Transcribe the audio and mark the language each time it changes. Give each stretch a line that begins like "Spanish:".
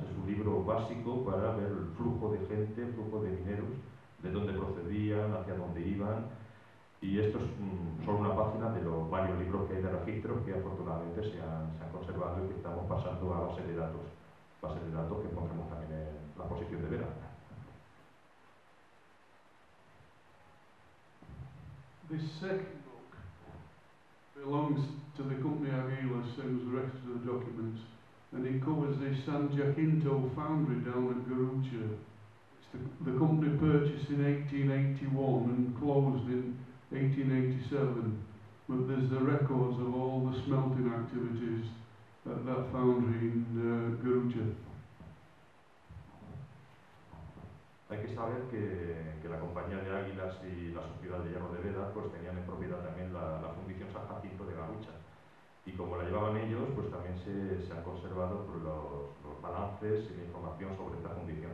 Spanish: Es un libro básico para ver el flujo de gente, el flujo de mineros, de dónde procedían, hacia dónde iban. Y esto es solo una página de los varios libros que hay de registros que afortunadamente se han conservado y que estamos pasando a base de datos que pondremos también en la posición de Vera.
English: This second book belongs to the company Aguila, same as the rest of the documents, and it covers the San Jacinto foundry down at Garucha. It's the company purchased in 1881 and closed in 1887, but there's the records of all the smelting activities at that foundry in Garucha.
Spanish: Hay que saber que la compañía de Águilas y la sociedad de Hierro de Bédar pues tenían en propiedad también la fundición San Jacinto de Garucha, y como la llevaban ellos pues también se han conservado pues, los balances y la información sobre esta fundición.